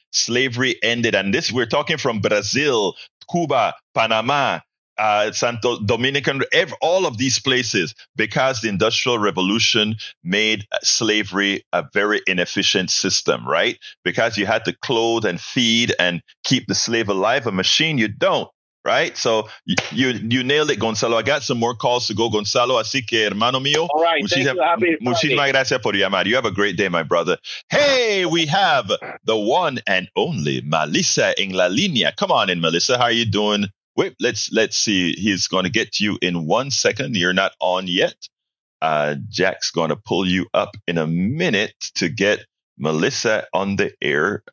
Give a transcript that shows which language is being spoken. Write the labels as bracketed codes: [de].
[en] Slavery ended, and this we're talking from Brazil, Cuba, Panama, Santo Dominican, all of these places, because the Industrial Revolution made slavery a very inefficient system, right? Because you had to clothe and feed and keep the slave alive, a machine you don't, right? So you nailed it, Gonzalo. I got some more calls to go, Gonzalo. [es] Así que, hermano mío. [en] All right. [es] Muchísimas gracias por llamar. [en] You have a great day, my brother. Hey, we have the one and only Melissa [es] en la línea. [en] Come on in, Melissa. How are you doing? Wait, let's see. He's going to get to you in 1 second. You're not on yet. Jack's going to pull you up in a minute to get Melissa on the air.